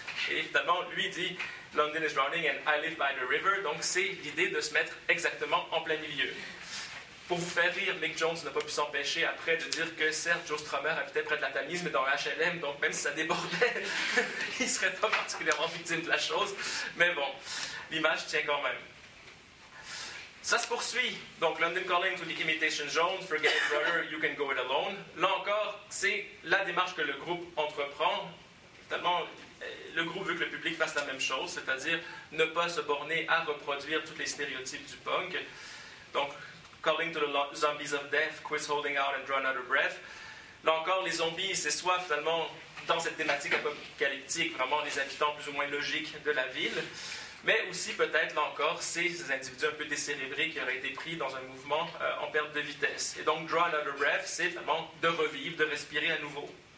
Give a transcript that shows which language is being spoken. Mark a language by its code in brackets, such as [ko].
[fr] Et finalement, lui dit « [en] London is drowning and I live by the river [fr] », donc c'est l'idée de se mettre exactement en plein milieu. Pour vous faire rire, Mick Jones n'a pas pu s'empêcher après de dire que certes, Joe Strummer habitait près de la Tamise, mais dans un HLM, donc même si ça débordait, il ne serait pas particulièrement victime de la chose. Mais bon, l'image tient quand même. Ça se poursuit. Donc, [en] London Calling to the Imitation Jones, forget it, brother, you can go it alone. [fr] Là encore, c'est la démarche que le groupe entreprend. Finalement, le groupe veut que le public fasse la même chose, c'est-à-dire ne pas se borner à reproduire tous les stéréotypes du punk. Donc, [en] calling to the zombies of death, quit holding out and drawing out of breath. [fr] Là encore, les zombies, c'est soit finalement dans cette thématique apocalyptique, vraiment les habitants plus ou moins logiques de la ville. Mais aussi, peut-être, là encore, c'est ces individus un peu décérébrés qui auraient été pris dans un mouvement en perte de vitesse. Et donc, « [en] draw another breath [fr] », c'est vraiment de revivre, de respirer à nouveau.